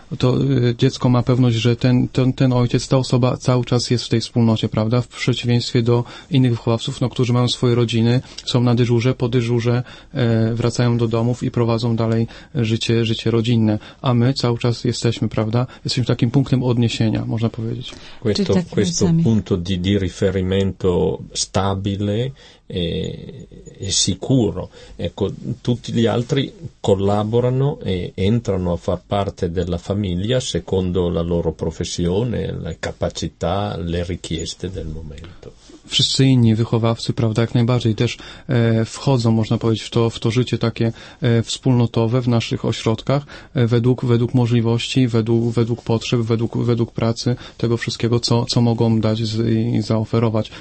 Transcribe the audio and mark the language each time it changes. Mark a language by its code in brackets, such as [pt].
[pl] To dziecko ma pewność, że ten ojciec, ta osoba cały czas jest w tej wspólnocie, prawda, w przeciwieństwie do innych wychowawców, no, którzy mają swoje rodziny, są na dyżurze, po dyżurze wracają do domów i prowadzą dalej życie rodzinne. A my cały czas jesteśmy, prawda, jesteśmy takim punktem odniesienia, można powiedzieć. [it] Questo punto di riferimento stabile e sicuro. Ecco, tutti gli altri collaborano e entrano a far parte della famiglia secondo la loro professione, le capacità, le richieste del momento. [pl] wszyscy inni wychowawcy, prawda, jak najbardziej też wchodzą, można powiedzieć, w to życie takie wspólnotowe w naszych ośrodkach, według możliwości, według potrzeb, według pracy, tego wszystkiego, co mogą dać i zaoferować.